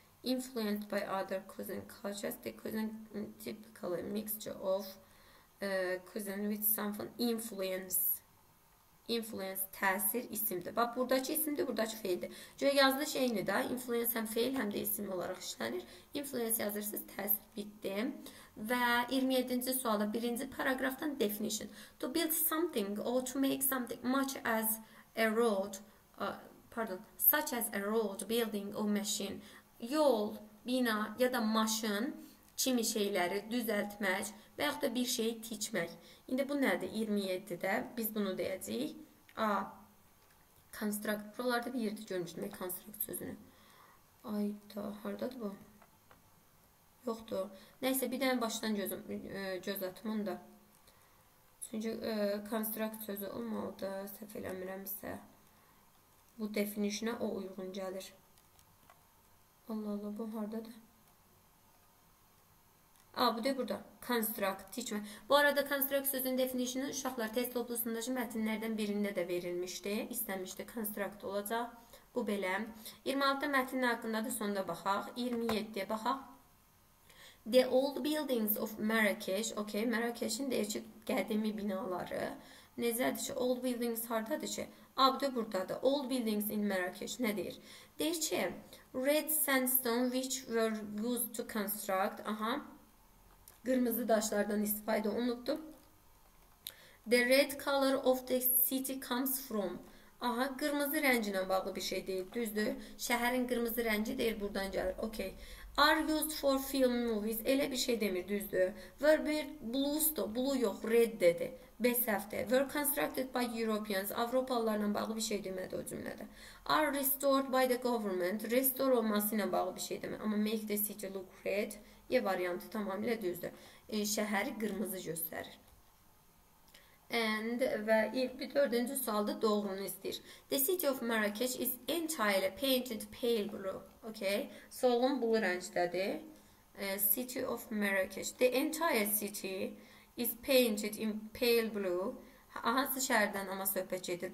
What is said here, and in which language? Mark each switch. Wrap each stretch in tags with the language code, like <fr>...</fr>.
<en>Influenced by other cuisine cultures. The cuisine typically mixture of cuisine with something influence.</en> <az>Influence, təsir, isimdir. Bax, buradakı isimdir, buradakı feildir. Çünki yazılı şeyini də, influence həm feil, həm də isim olaraq işlənir. Influence yazırsınız, təsir bitdi. Və 27-ci sualda, birinci paragrafdan definition.</az> <en>To build something or to make something much as a road, such as a road, building or machine.</en> <az>Yol, bina ya da maşın kimi şeyleri düzeltmək və yaxud da bir şeyi tikmək. İndi bu nədir 27-də? Biz bunu deyəcəyik. A. Construct. Buralarda bir yerdə görmüşdüm construct sözünü. Ay da, haradadır bu? Yoxdur. Nəsə, bir dənə başdan göz atım onu da. Çünki construct sözü olmalıdır, səhv eləmirəmsə. Bu definişinə o uyğun gəlir. Allah Allah, bu haradadır? A, bu deyil burada. Construct, teachme. Bu arada construct sözünün definişini uşaqlar test toplusundakı mətinlərdən birində də verilmişdi. İstəmişdi, construct olacaq. Bu belə. 26-da mətinin haqqında da sonda baxaq. 27-də baxaq.</az> <en>The old buildings of Marrakesh.</en> <az>Okay, Marrakesh'in deyir ki, qədimi binaları. Necədir ki, old buildings haradadır ki? A, bu deyil buradadır. Old buildings in Marrakesh. Nə deyir? Deyir ki,</az> <en>red sandstone which were used to construct. Aha.</en> <az>Qırmızı daşlardan istifadə olunubdur.</az> <en>The red color of the city comes from.</en> <az>Aha, qırmızı rənginə bağlı bir şey deyil, düzdür. Şəhərin qırmızı rəngi deyil, buradan gəlir. Okay.</az> <en>Are used for film movies.</en> <az>Elə bir şey demir, düzdür.</az> <en>Were blue, blue</en> <az>yox, red dedi. B səhvdir.</az> <en>Were constructed by Europeans.</en> <az>Avropalılarla bağlı bir şey demədi o cümlədə.</az> <en>Are restored by the government.</en> <az>Restore olması ilə bağlı bir şey demir.</az> <en>Amma make the city look red.</en> <az>Y variantı tamamilə düzdür. Şəhəri qırmızı göstərir. And və ilk bir dördüncü sualda doğrunu istəyir.</az> <en>The city of Marrakech is entirely painted pale blue. Okay.</en> <az>Solğun blue rəngdədir. City of Marrakech.</az> <en>The entire city is painted in pale blue.</en> <az>Hansı şəhərdən ama söhbət gedir?</az>